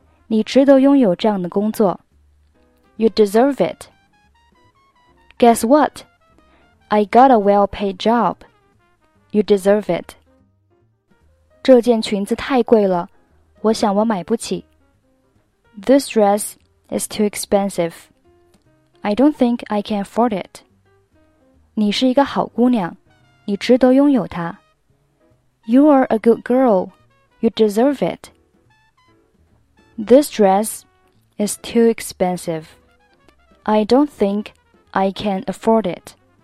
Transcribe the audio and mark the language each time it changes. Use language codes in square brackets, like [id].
[zh] 你值得拥有这样的工作。 [en] You deserve it. Guess what? I got a well-paid job. You deserve it. [zh] 这件裙子太贵了，我想我买不起。 [en] This dress is too expensive. I don't think I can afford it. [zh] 你是一个好姑娘，你值得拥有它。 [en] You are a good girl. You deserve it. This dress is too expensive. I don't think I can afford it.